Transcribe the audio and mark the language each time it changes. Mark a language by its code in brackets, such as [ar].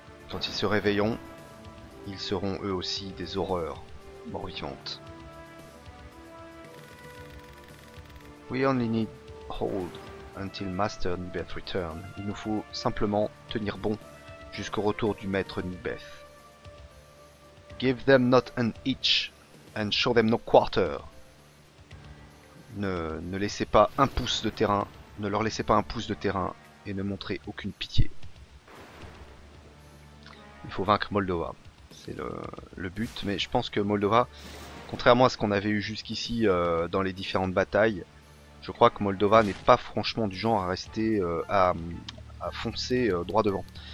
[fr] Quand ils se réveilleront, ils seront eux aussi des horreurs mort-vivantes. [en] We only need hold until Master Nibeth return. [fr] Il nous faut simplement tenir bon jusqu'au retour du maître Nibeth. [en] Give them not an inch and show them no quarter. [fr] Ne laissez pas un pouce de terrain, ne leur laissez pas un pouce de terrain et ne montrez aucune pitié. Il faut vaincre Moldova. C'est le but, mais je pense que Moldova, contrairement à ce qu'on avait eu jusqu'ici dans les différentes batailles, je crois que Moldova n'est pas franchement du genre à rester à foncer droit devant.